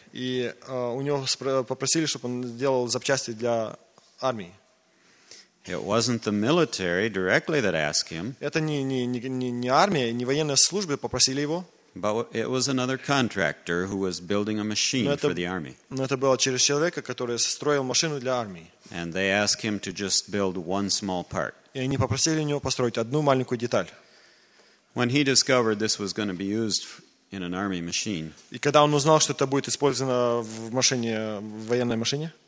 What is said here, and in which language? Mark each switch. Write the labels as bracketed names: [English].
[Russian] И у него попросили, чтобы он сделал запчасти для армии. [English] It wasn't the military directly that asked him. [Russian] Это не армия, не военные службы попросили его. [English] But it was another contractor who was building a machine for the army. [Russian] Но это было через человека, который строил машину для армии. [English] And they asked him to just build one small part. [Russian] И они попросили у него построить одну маленькую деталь. [English] When he discovered this was going to be used in an army machine. [Russian] И когда он узнал, что это будет использовано в машине, в военной машине?